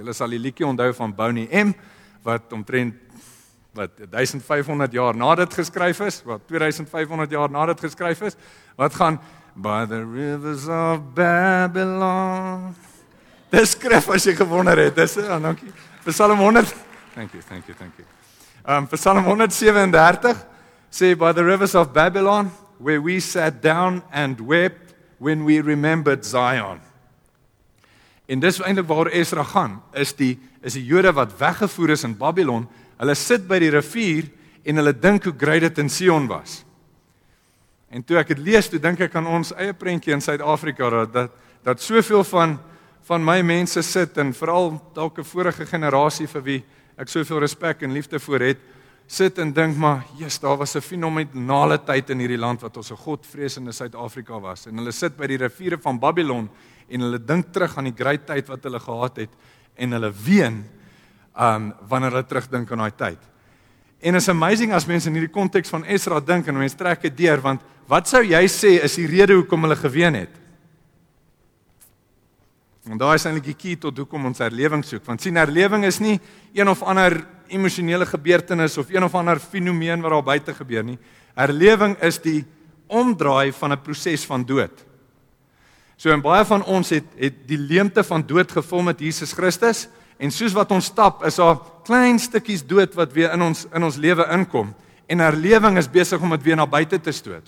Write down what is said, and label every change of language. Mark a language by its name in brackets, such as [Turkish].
[Afrikaans] Julle sal die liedjie onthou van Boney M, wat omtrent 1500 jaar na dit geskryf is, wat 2500 jaar na dit geskryf is, wat gaan By the rivers of Babylon. Dis skrif as jy gewonder het, dis dankie. Vir Psalm 100. [English] Thank you. [Afrikaans] Vir Psalm 137 sê [English] By the rivers of Babylon where we sat down and wept when we remembered Zion. [Afrikaans] En dis eintlik waar Esra gaan, is die Jode wat weggevoer is in Babylon, hulle sit by die rivier en hulle dink hoe great dit in Sion was. En toe ek het lees, toe dink ek aan ons eie prentjie in Suid-Afrika, dat soveel van my mense sit, en vooral dalk 'n vorige generasie vir wie ek soveel respek en liefde voor het, sit en dink maar, jees, daar was 'n fenomenale tyd in hierdie land wat ons 'n godvreesende Suid-Afrika was. En hulle sit by die riviere van Babylon en hulle dink terug aan die great tyd wat hulle gehad het en hulle ween wanneer hulle terugdink aan daai tyd. En is amazing as mense in hierdie konteks van Esra dink en mense trek dit deur, want wat sou jy sê is die rede hoekom hulle geween het? Want daar is eintlik die key tot hoekom ons herlewing soek. Want sien, herlewing is nie een of ander emosionele gebeurtenis of een of ander fenomeen wat daar buite gebeur nie. Herlewing is die omdraai van 'n proses van dood. So en baie van ons het die leemte van dood gevul met Jesus Christus, en soos wat ons stap, is daar klein stukkies dood wat weer in ons lewe inkom, en herlewing is besig om dit weer na buite te stoot.